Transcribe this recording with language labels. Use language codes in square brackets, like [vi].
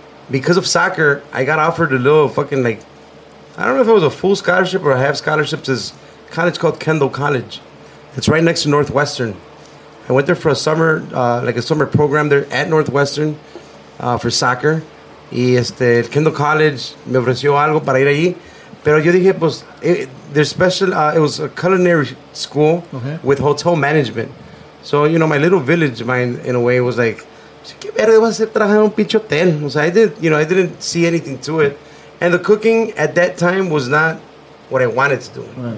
[en] Because of soccer, I got offered a little fucking, like, I don't know if it was a full scholarship or a half scholarship to this college called Kendall College. It's right next to Northwestern. I went there for a summer, like a summer program there at Northwestern for soccer. [es] Y este, el Kendall College me ofreció algo para ir allí. Pero yo dije, pues, [en] they're special. It was a culinary school with hotel management. So, you know, my little village, mine, in a way, was like, [es] ¿qué verde vas a hacer trabajando un pinche hotel? O sea, [en] I didn't, you know, I didn't see anything to it. And the cooking at that time was not what I wanted to do. Right.